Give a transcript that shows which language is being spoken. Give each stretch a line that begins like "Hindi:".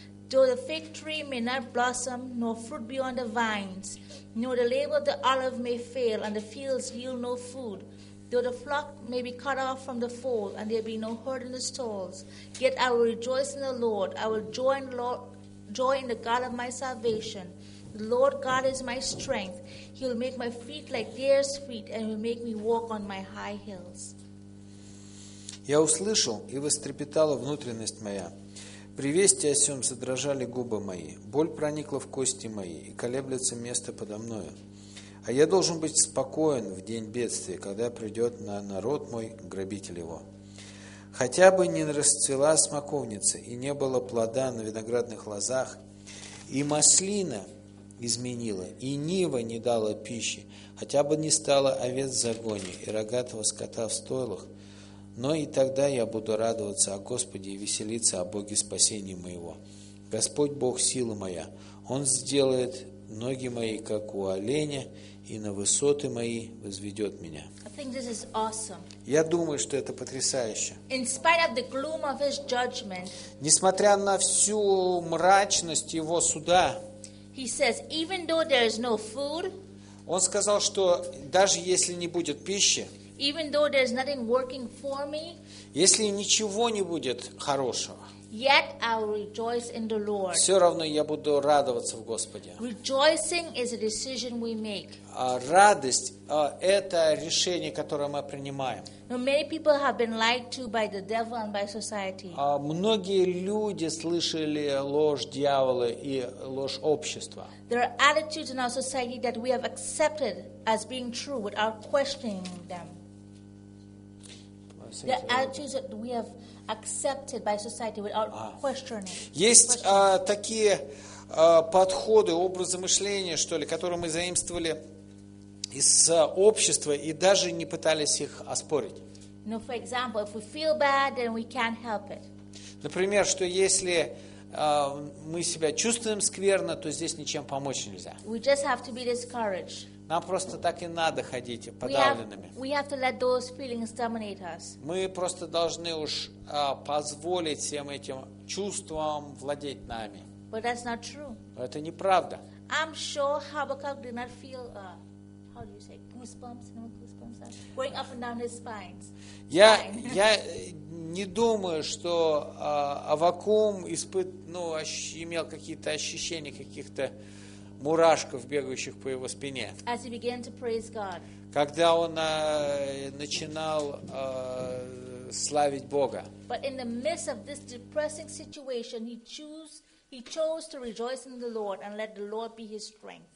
English: Though the fig tree may not blossom, nor fruit be on the vines, nor the labor of the olive may fail, and the fields yield no food, though the flock may be cut off from the fold, and there be no herd in the stalls, yet I will rejoice in the Lord, I will join the Lord, joy in the God of my salvation. The Lord God is my strength. He will make my feet like deer's feet, and will make me walk on my high hills.
Russian: Я услышал, и вострепетала внутренность моя. При вести о сём задрожали губы мои. Боль проникла в кости мои, и колеблется место подо мною. А я должен быть спокоен в день бедствия, когда придет на народ мой грабитель его. Хотя бы не расцвела смоковница, и не было плода на виноградных лозах, и маслина изменила, и нива не дала пищи, хотя бы не стало овец в загоне, и рогатого скота в стойлах, но и тогда я буду радоваться о Господе и веселиться о Боге спасения моего. Господь Бог силы моя, Он сделает ноги мои, как у оленя, и на высоты мои возведет меня.
English: I think this is awesome.
Russian: Я думаю, что это потрясающе.
English: In spite of the gloom of his judgment,
Russian: несмотря на всю мрачность его суда,
English: he says, even though there is no food,
Russian: он сказал, что даже если не будет пищи,
English: even though there is nothing working for me,
Russian: если ничего не будет хорошего,
English: yet I will rejoice in the Lord.
Russian: Все равно я буду радоваться в Господе.
English: Rejoicing is a decision we make.
Russian: Радость – это решение, которое мы принимаем.
English: Many people have been lied to by the devil and by society.
Russian: Многие люди слышали ложь дьявола и ложь общества.
English: There are attitudes in our society that we have accepted as being true without questioning them. The attitudes that we have accepted by society without questioning.
Russian: Есть такие подходы, образы мышления, что ли, которые мы заимствовали из общества и даже не пытались их оспорить.
English: For example, if we feel bad, then we can't help it.
Russian: Например, что если мы себя чувствуем скверно, то здесь ничем помочь нельзя.
English: We just have to be discouraged.
Russian: Нам просто так и надо ходить подавленными.
English: We have to let those feelings dominate us.
Russian: Мы просто должны уж позволить всем этим чувствам владеть нами.
English: But that's not true.
Russian: Это неправда.
English: I'm sure Habakkuk did not feel, how do you say, goosebumps, goosebumps going up and down his spines.
Russian: Я не думаю, что Аввакум имел какие-то ощущения каких-то мурашков, бегающих по его спине.
English: As he began to praise God.
Russian: Когда он начинал славить Бога.
English: But in the midst of this depressing situation, he chose to rejoice in the Lord and let the Lord be his strength.